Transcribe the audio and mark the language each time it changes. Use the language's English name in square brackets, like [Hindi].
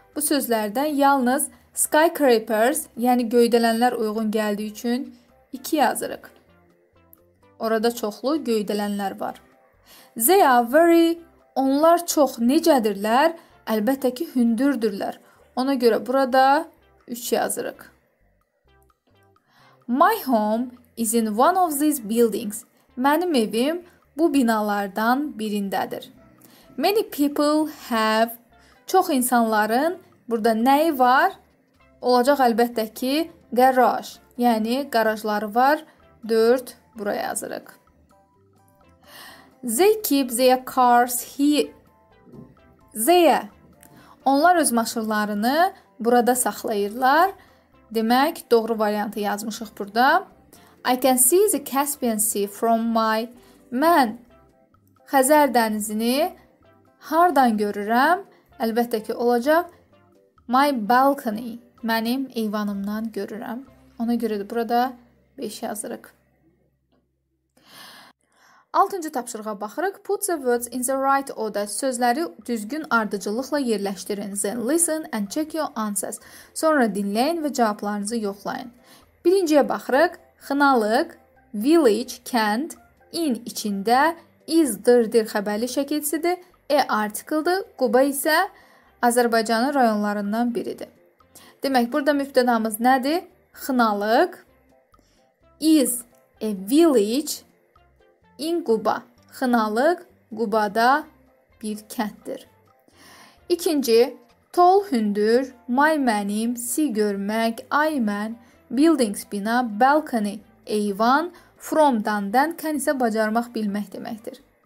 [Azerbaijani] Bu sözlərdən yalnız skyscrapers, yəni göydələnlər uyğun gəldiyi üçün 2 yazırıq. Orada çoxlu göydələnlər var. [English] They are very, [Azerbaijani] onlar çox necədirlər? Əlbəttə ki, hündürdürlər. Ona görə burada 3 yazırıq. [English] My home is in one of these buildings. [Azerbaijani] Mənim evim bu binalardan birindədir. [English] Many people have, [Azerbaijani] çox insanların burada nəyi var? Olacaq əlbəttə ki, garaj. Yəni, garajları var. 4 buraya yazırıq. [English] They keep their cars here. They. [Azerbaijani] Onlar öz maşınlarını burada saxlayırlar. Demək, doğru variantı yazmışıq burada. [English] I can see the Caspian Sea from my... [Azerbaijani] Mən Xəzər dənizini hardan görürəm? Əlbəttə ki, olacaq. [English] My balcony. [Azerbaijani] Mənim eyvanımdan görürəm. Ona görə də burada 5 yazırıq. [English] 6-cı tapşırığa baxırıq. Put the words in the right order. [Azerbaijani] Sözləri düzgün ardıcılıqla yerləşdirin. [English] Then listen and check your answers. [Azerbaijani] Sonra dinləyin və cavablarınızı yoxlayın. Birinciyə baxırıq. Xınalıq, village, kənd, in içində, is, dırdır xəbərli şəkilçisidir. E artikldir. Quba isə Azərbaycanın rayonlarından biridir. Demək, burada mübtədamız nədir? [English] Xınalıq, is a village in Quba. [Azerbaijani] Xınalıq Qubada bir kənddir. İkinci, tall hündür, my mənim, si görmək, I mən, buildings bina, balcony eyvan, from'dan dən, can isə bacarmaq bilmək deməkdir.